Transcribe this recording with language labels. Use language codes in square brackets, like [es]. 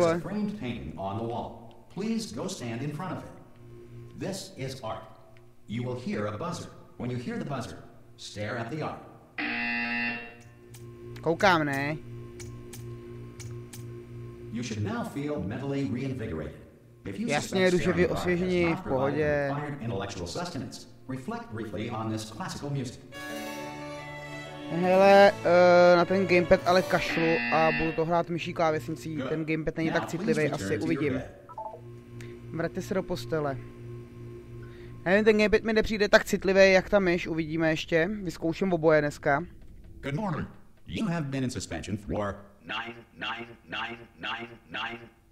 [en] There's a framed painting on the wall. Please go stand in front of it. This is art. You will hear a buzzer. When you hear the buzzer, stare at the art. [cs] Koukám, ne? [en] You should now feel mentally reinvigorated. If you [cs] jasně, duševně osvěžení, v pohodě. [en] Intellectual sustenance. Reflect briefly on this classical music. [cs] Hele, na ten gamepad ale kašlu a budu to hrát myší klávesnicí, ten gamepad není tak citlivý, asi uvidím. Vraťte se do postele. Nevím, ten gamepad mi nepřijde tak citlivý, jak ta myš, uvidíme ještě, vyzkouším oboje dneska. [en] Good morning. You have been in suspension for 9999999.